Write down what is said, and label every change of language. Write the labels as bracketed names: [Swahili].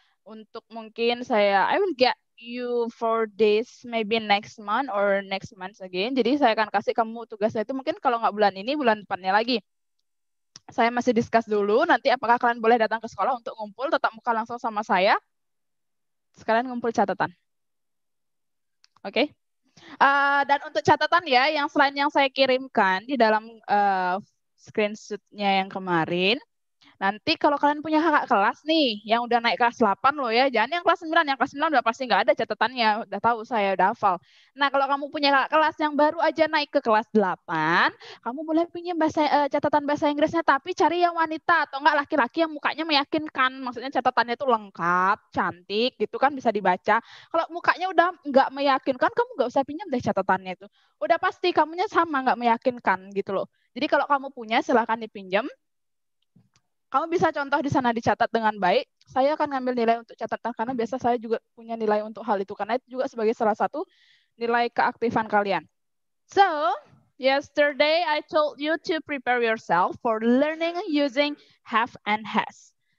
[Indonesian] Untuk mungkin saya, [English] I will get you for this maybe next month or next month again. [Indonesian] Jadi saya akan kasih kamu tugasnya itu mungkin kalau nggak bulan ini, bulan depannya lagi. Saya masih discuss dulu, nanti apakah kalian boleh datang ke sekolah untuk ngumpul, tetap muka langsung sama saya. Sekalian ngumpul catatan. Oke. Okay. Dan untuk catatan ya, yang selain yang saya kirimkan di dalam screenshot-nya yang kemarin, nanti kalau kalian punya kakak kelas nih, yang udah naik kelas 8 loh ya, jangan yang kelas 9. Yang kelas 9 udah pasti nggak ada catatannya. Udah tahu, saya udah hafal. Nah, kalau kamu punya kakak kelas yang baru aja naik ke kelas 8, kamu boleh pinjam bahasa, catatan bahasa Inggrisnya, tapi cari yang wanita atau nggak laki-laki yang mukanya meyakinkan. Maksudnya catatannya itu lengkap, cantik, gitu kan, bisa dibaca. Kalau mukanya udah nggak meyakinkan, kamu nggak usah pinjam deh catatannya itu. Udah pasti, kamunya sama, nggak meyakinkan, gitu loh. Jadi kalau kamu punya, silahkan dipinjam. Kamu bisa contoh di sana, dicatat dengan baik. Saya akan ngambil nilai untuk catatan, karena biasa saya juga punya nilai untuk hal itu. Karena itu juga sebagai salah satu nilai keaktifan kalian. [English] So, yesterday I told you to prepare yourself for learning using have and has.